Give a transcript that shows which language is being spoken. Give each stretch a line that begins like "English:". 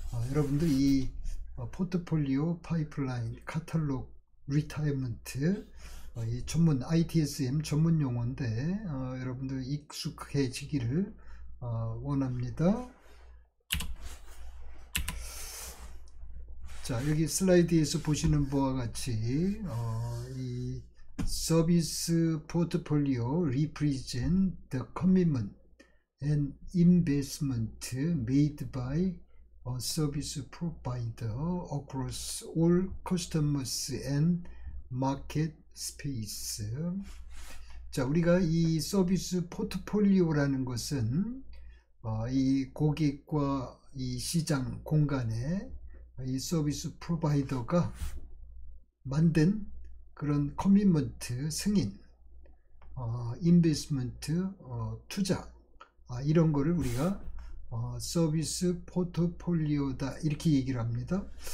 Korean: 여러분들 이 포트폴리오, 파이프라인, 카탈로그, 리타이먼트, 이 전문 ITSM 전문 용어인데 여러분들 익숙해지기를 원합니다. 자, 여기 슬라이드에서 보시는 바와 같이 이 서비스 포트폴리오
English: represent the commitment and investment made by a service provider across all customers and market space.
Korean: 자, 우리가 이 서비스 포트폴리오라는 것은 이 고객과 이 시장 공간에 이 서비스 프로바이더가 만든 그런 커미먼트, 승인, 인베스먼트, 투자, 이런 거를 우리가 서비스 포트폴리오다 이렇게 얘기를 합니다.